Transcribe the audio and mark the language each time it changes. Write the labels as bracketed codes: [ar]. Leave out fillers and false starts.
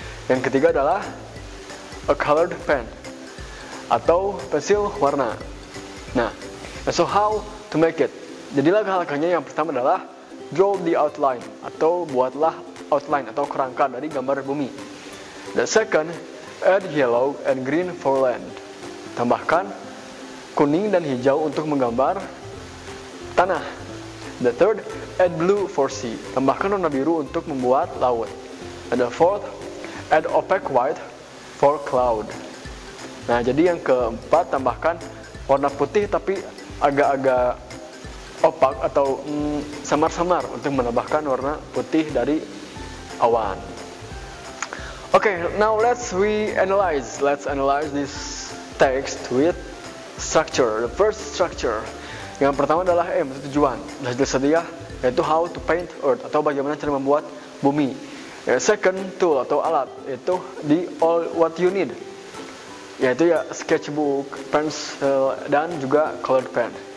[id] Yang ketiga adalah [en] a colored pen [id] atau pensil warna. Nah, [en] so how to make it? [id] Jadi langkah-langkahnya yang pertama adalah [en] draw the outline [id] atau buatlah outline atau kerangka dari gambar bumi. [en] The second, add yellow and green for land. [id] Tambahkan kuning dan hijau untuk menggambar tanah. [en] The third, add blue for sea. [id] Tambahkan warna biru untuk membuat laut. [en] And the fourth, add opaque white for cloud. [id] Nah, jadi yang keempat, tambahkan warna putih tapi agak-agak opak atau samar-samar untuk menambahkan warna putih dari awan. [en] Okay, now let's analyze this text with structure. The first structure, [id] yang pertama adalah aim, tujuan. Yaitu [en] how to paint earth [id] atau bagaimana cara membuat bumi. Second, tool atau alat, yaitu [en] the all what you need, [id] yaitu ya sketchbook, pencil dan juga colored pen.